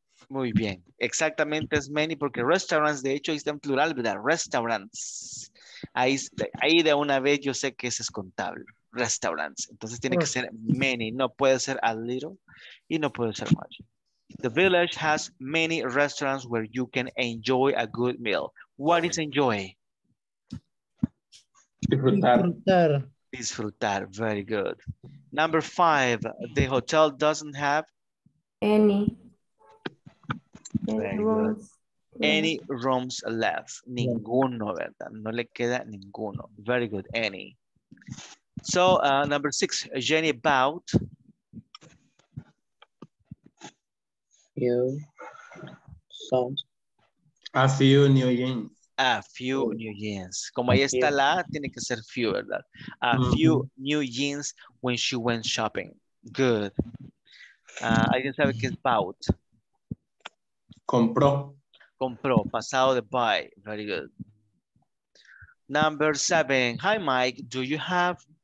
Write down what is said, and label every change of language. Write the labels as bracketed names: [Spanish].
[Spanish] Muy bien, exactamente es many, porque restaurants, de hecho, ahí está en plural, ¿verdad? Restaurants. Ahí de una vez yo sé que ese es contable. Restaurants. Entonces tiene que ser many, no puede ser a little y no puede ser much. [English] The village has many restaurants where you can enjoy a good meal. What is enjoy? [Spanish] Disfrutar. [English] Disfrutar, very good. Number five, the hotel doesn't have any. Any rooms left. [Spanish] Ninguno, ¿verdad? No le queda ninguno. [English] Very good. Any. So, number six. Jenny bowed. You. So. A few new yens. A few new yens. [Spanish] Como ahí está la, tiene que ser few, ¿verdad? [English] A few new yens when she went shopping. [Spanish] Good. ¿Alguien sabe qué es bowed? Compró, pasado de [English] buy. Very good. Number seven. Hi, Mike. Do you have?